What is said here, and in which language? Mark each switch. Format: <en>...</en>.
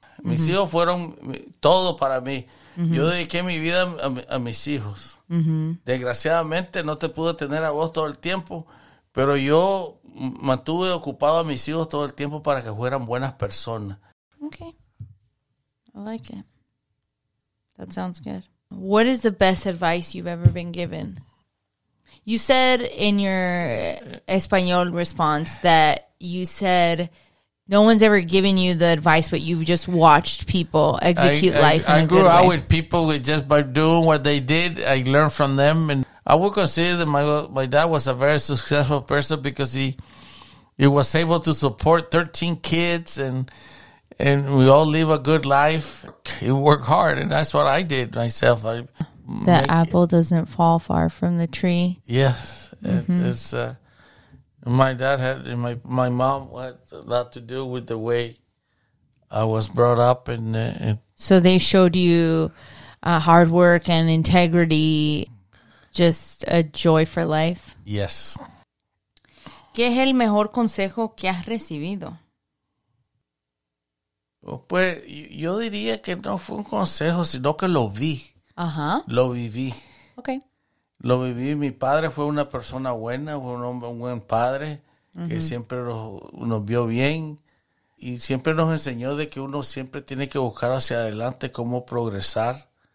<es>Mis hijos fueron todo para mí. Yo dediqué mi vida a mis hijos. Desgraciadamente no te pude tener a vos todo el tiempo, pero yo mantuve ocupado a mis hijos todo el tiempo para que fueran buenas personas.</es> <en>Okay. I like it. That sounds good. What is the best advice you've ever been given? You said in your español response that you said no one's ever given you the advice, but you've just watched people execute life in a good way. I grew up with people with just by doing what they did. I learned from them. And I would consider that my dad was a very successful person because he was able to support 13 kids and we all live a good life. He worked hard, and that's what I did myself. The apple doesn't fall far from the tree. Yes. Mm-hmm. It's My dad had, my mom had a lot to do with the way I was brought up. So they showed you hard work and integrity, just a joy for life? Yes.</en> <es>¿Qué es el mejor consejo que has recibido? Pues yo diría que no fue un consejo, sino que lo vi. Ajá. Lo viví. Ok. Lo viví. Mi padre fue una persona buena, fue un hombre, un buen padre, que siempre nos vio bien y siempre nos enseñó de que uno siempre tiene que buscar hacia adelante cómo progresar.</es>